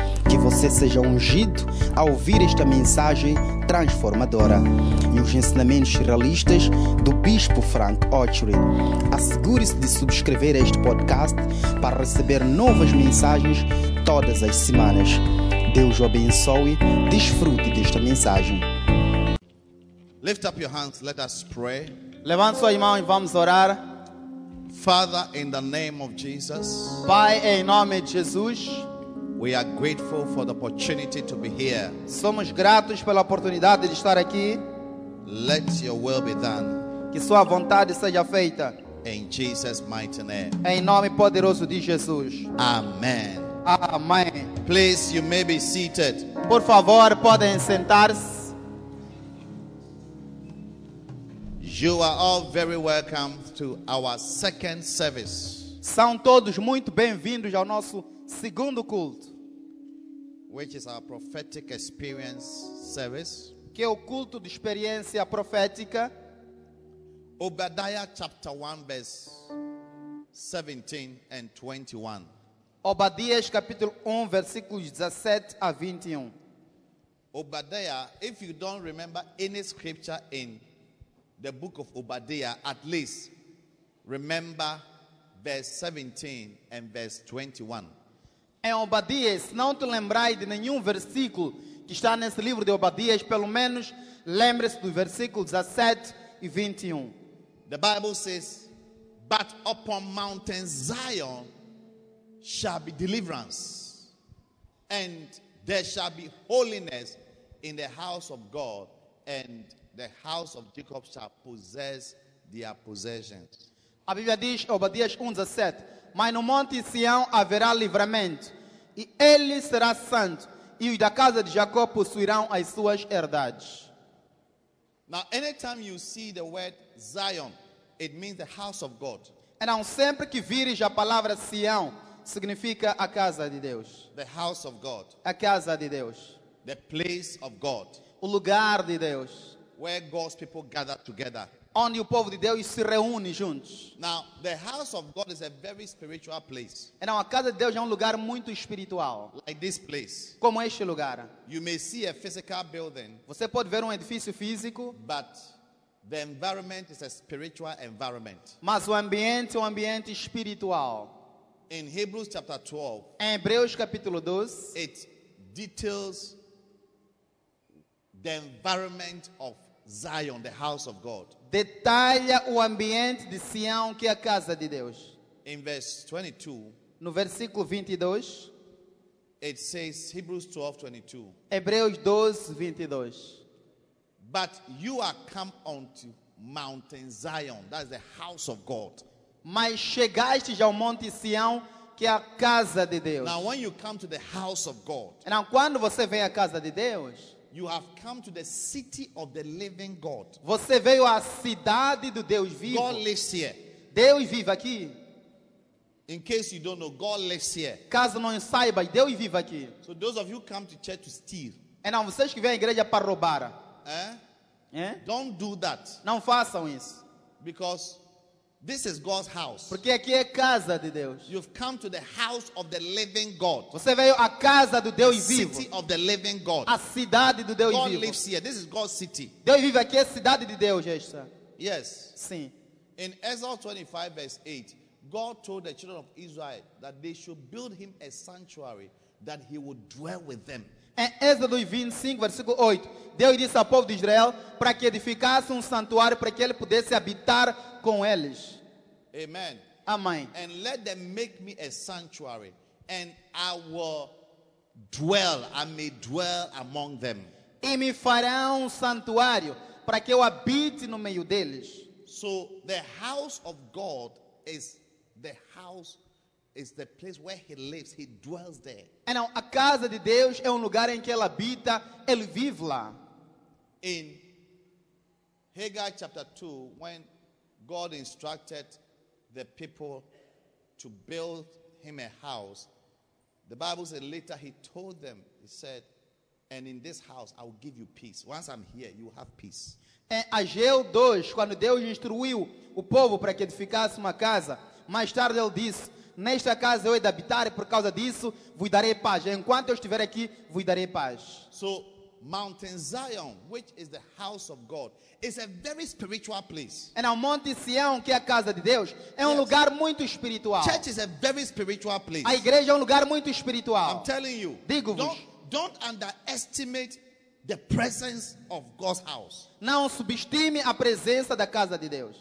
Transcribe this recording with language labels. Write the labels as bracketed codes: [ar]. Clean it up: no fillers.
[pt] Que você seja ungido a ouvir esta mensagem transformadora e os ensinamentos realistas do Bispo Frank Ochori. Assegure-se de subscrever este podcast para receber novas mensagens todas as semanas. Deus o abençoe. Desfrute desta mensagem. [en] Lift up your hands, let us pray. [pt] Levante sua mão e vamos orar. [en] Father, in the name of Jesus. [pt] Pai, em nome de Jesus. [en] We are grateful for the opportunity to be here. [pt] Somos gratos pela oportunidade de estar aqui. [en] Let your will be done. [pt] Que sua vontade seja feita. [en] In Jesus' mighty name. [pt] Em nome poderoso de Jesus. [en] Amen. [pt] Amém. [en] Please, you may be seated. [pt] Por favor, podem sentar-se. [en] You are all very welcome to our second service. [pt] São todos muito bem-vindos ao nosso segundo culto, [en] which is our prophetic experience service. [pt] Que é o culto de experiência profética. [en] Obadiah chapter 1 verse 17 and 21. [pt] Obadias capítulo 1 versículos 17 a 21. [en] Obadiah, if you don't remember any scripture in the book of Obadiah, at least remember verse 17 and verse 21. [pt] Em Obadias, não te lembrai de nenhum versículo que está nesse livro de Obadias, pelo menos lembre-se do versículo 17 e 21. [en] The Bible says, but upon mountain Zion shall be deliverance, and there shall be holiness in the house of God, and the house of Jacob shall possess their possessions. [pt] A Bíblia diz, Obadias 1:17, mas no monte Sião haverá livramento, e ele será santo, e os da casa de Jacó possuirão as suas herdades. [en] Now, anytime you see the word Zion, it means the house of God. [pt] Então, sempre que vires a palavra Sião, significa a casa de Deus. [en] The house of God. [pt] A casa de Deus. [en] The place of God. [pt] O lugar de Deus. [en] Where God's people gather together. [pt] Onde o povo de Deus se reúne juntos. [en] Now, the house of God is a very spiritual place. [pt] Então, a casa de Deus é um lugar muito espiritual. [en] Like this place. [pt] Como este lugar. [en] You may see a physical building. [pt] Você pode ver um edifício físico. [en] But the environment is a spiritual environment. [pt] Mas o ambiente é um ambiente espiritual. [en] In Hebrews chapter 12. [pt] Em Hebreus capítulo 12. [en] It details the environment of Zion, the house of God. [pt] Detalha o ambiente de Sião, que é a casa de Deus. [en] In verse 22. [pt] No versículo 22. [en] It says Hebrews 12:22. [pt] Hebreus 12:22. [en] But you are come unto mountain Zion, that is the house of God. [pt] Mas chegaste já ao monte Sião, que é a casa de Deus. [en] Now, when you come to the house of God. [pt] Então, quando você vem à casa de Deus. [en] You have come to the city of the living God. [pt] Você veio à cidade do Deus vivo. [en] God lives here. [pt] Deus vive aqui. [en] In case you don't know, God lives here. [pt] Caso não saiba, Deus vive aqui. [en] So those of you who come to church to steal. [pt] Então, vocês que vêm à igreja para roubar. [en] Eh? Don't do that. [pt] Não façam isso. [en] Because this is God's house. [pt] Porque aqui é casa de Deus. [en] You've come to the house of the living God. [pt] Você veio à casa do Deus vivo. [en] City of the living God. [pt] A cidade do Deus [en] God [pt] vivo. [en] God lives here. This is God's city. [pt] Deus vive aqui, é cidade de Deus, esta. [en] Yes. [pt] Sim. [en] In Exodus 25 verse 8, God told the children of Israel that they should build him a sanctuary that he would dwell with them. [pt] Em Êxodo 25 versículo 8, Deus disse ao povo de Israel para que edificasse santuário para que ele pudesse habitar com eles. [en] Amen. [pt] Amém. [en] And let them make me a sanctuary, and I will dwell, I may dwell among them. [pt] E me farão santuário para que eu habite no meio deles. [en] So the house of God is the house, is the place where he lives, he dwells there. And now, [pt] a casa de Deus é lugar em que ele habita, ele vive lá. [en] In Haggai chapter 2, when God instructed the people to build him a house, the Bible said later he told them, he said, and in this house I will give you peace. Once I'm here, you have peace. [pt] Em Ageu 2, quando Deus instruiu o povo para que edificasse uma casa, mais tarde ele disse, nesta casa eu hei de habitar e por causa disso vos darei paz. Enquanto eu estiver aqui, vos darei paz. [en] So, Mount Zion, which is the house of God, is a very spiritual place. And [pt] o Monte Sião, que é a casa de Deus, é um lugar muito espiritual. [en] Church is a very spiritual place. [pt] A igreja é um lugar muito espiritual. [en] I'm telling you. [pt] Digo-vos. [en] Don't underestimate the presence of God's house. [pt] Não subestime a presença da casa de Deus.